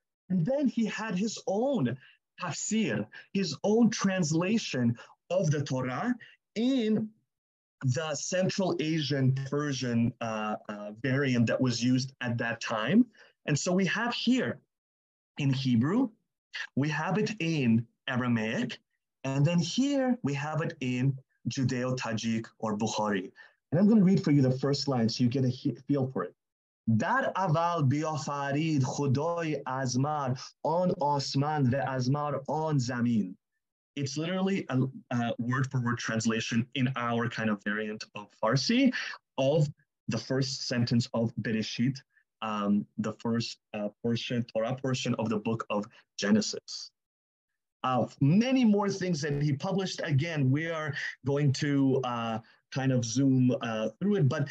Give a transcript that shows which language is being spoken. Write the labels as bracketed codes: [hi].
[en] And then he had his own tafsir, his own translation of the Torah in the Central Asian Persian variant that was used at that time. And so we have here in Hebrew, we have it in Aramaic, and then here we have it in Judeo-Tajik or Bukhari. And I'm going to read for you the first line so you get a feel for it. [fa] در اول بیافرید خدای ازمر آن آسمان و ازمر آن زمین. [en] It's literally a word-for-word translation in our kind of variant of Farsi of the first sentence of Bereshit, the first portion, Torah portion of the book of Genesis. Many more things that he published. Again, we are going to kind of zoom through it.